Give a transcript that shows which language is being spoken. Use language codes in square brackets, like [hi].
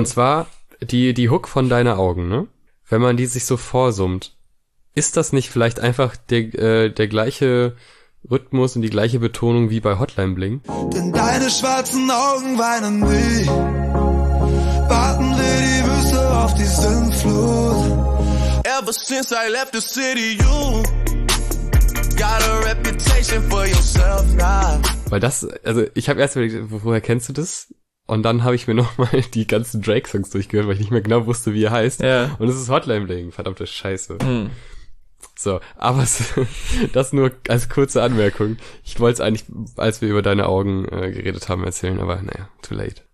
[de] Und zwar die Hook von Deine Augen, ne? Wenn man die sich so vorsummt, ist das nicht vielleicht einfach der gleiche Rhythmus und die gleiche Betonung wie bei Hotline Bling? Denn deine schwarzen Augen weinen wie, warten wie die Wüste auf die Sintflut. [en] Ever since I left the city, you got a reputation for yourself now. [de] Weil das, also ich habe erst überlegt, woher kennst du das? Und dann habe ich mir nochmal die ganzen Drake-Songs durchgehört, weil ich nicht mehr genau wusste, wie er heißt. Ja. Und es ist Hotline Bling, verdammte Scheiße. Hm. So, aber das nur als kurze Anmerkung. Ich wollte es eigentlich, als wir über Deine Augen geredet haben, erzählen, aber naja, [en] too late.